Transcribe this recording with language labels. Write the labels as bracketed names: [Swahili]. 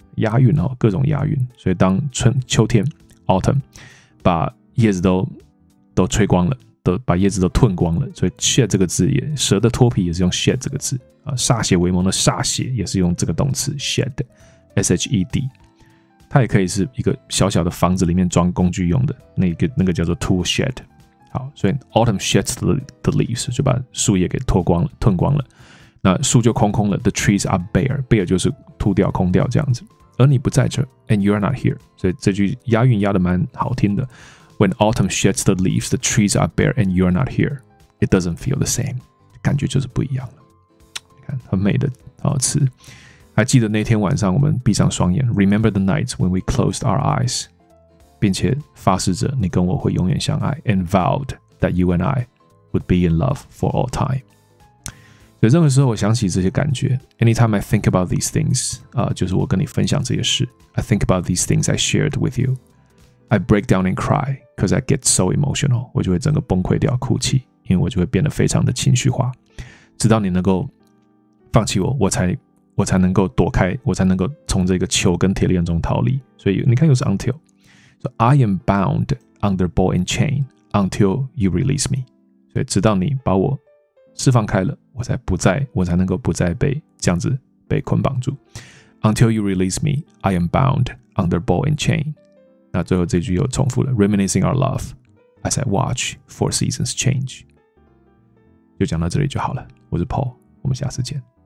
[Chinese] 押韵哦，各种押韵。所以当秋天 autumn 把叶子都吹光了，都把叶子都吞光了。所以 shed 这个字也，蛇的脱皮也是用 shed 这个字啊，歃血为盟的歃血也是用这个动词 shed，shed。它也可以是一个小小的房子里面装工具用的那个叫做 tool shed。好，所以 autumn sheds the leaves， 就把树叶给脱光了、吞光了，那树就空空了。 [English] The trees are bare， [Chinese] bare 就是秃掉、空掉这样子。 而你不在这 ， [English] and you are not here。 [Chinese] 所以这句押韵押的蛮好听的。 [English] When autumn sheds the leaves, the trees are bare and you are not here. It doesn't feel the same， [Chinese] 感觉就是不一样了。你看，很美的词。还记得那天晚上我们闭上双眼 [English] ，Remember the nights when we closed our eyes， [Chinese] 并且发誓着你跟我会永远相爱 [English] and vowed that you and I would be in love for all time. 有任何时候我想起这些感觉 anytime I think about these things,、 [Chinese] 就是我跟你分享这些事 [English] I think about these things I shared with you. I break down and cry because I get so emotional. [Chinese] 我就会整个崩溃掉哭泣因为我就会变得非常的情绪化。直到你能够放弃我我才能够躲开我才能够从这个球跟铁链中逃离。所以你看又是 until. [English] So, I am bound under ball and chain until you release me. [Chinese] 所以直到你把我释放开了我才能够不再被这样子被捆绑住。 [English] Until you release me, I am bound under ball and chain. [Chinese] 那最后这句又重复了 [English] Reminiscing our love as I watch four seasons change. [Chinese] 就讲到这里就好了。我是 Paul, 我们下次见。